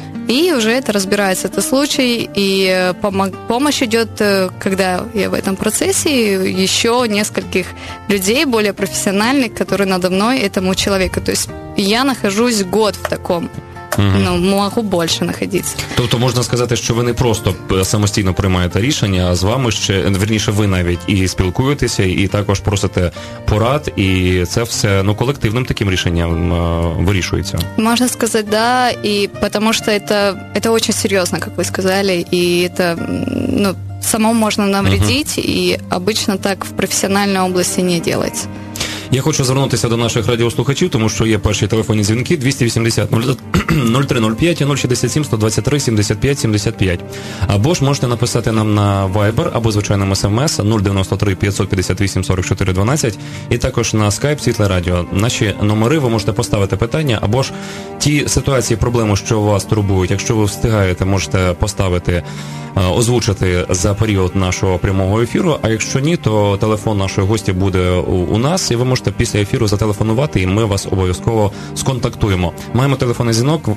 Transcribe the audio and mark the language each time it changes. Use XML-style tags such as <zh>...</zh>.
<ru>И уже это разбирается, этот случай, и помощь идет, когда я в этом процессе, еще нескольких людей более профессиональных, которые надо мной этому человеку. То есть я нахожусь год в таком. Ну, могу больше находиться.</ru> <uk>Тобто можна сказати, що ви не просто самостійно приймаєте рішення, а з вами ще, верніше, ви навіть і спілкуєтеся, і також просите порад, і це все, ну, колективним таким рішенням вирішується. Можна сказати, да, і тому що це дуже серйозно, як ви сказали, і це, ну, самому можна навредити, і обычно так в професіональній області не робиться. Я хочу звернутися до наших радіослухачів, тому що є перші телефонні дзвінки 280-0305 і 067-123-75-75. Або ж можете написати нам на Viber або звичайним SMS 093-558-44-12 і також на Skype Світле Радіо. Наші номери, ви можете поставити питання, або ж ті ситуації, проблеми, що вас турбують, якщо ви встигаєте, можете поставити, озвучити за період нашого прямого ефіру, а якщо ні, то телефон нашої гості буде у нас, і ви можете після ефіру зателефонувати, і ми вас обов'язково сконтактуємо. Маємо телефонний дзвінок.</uk>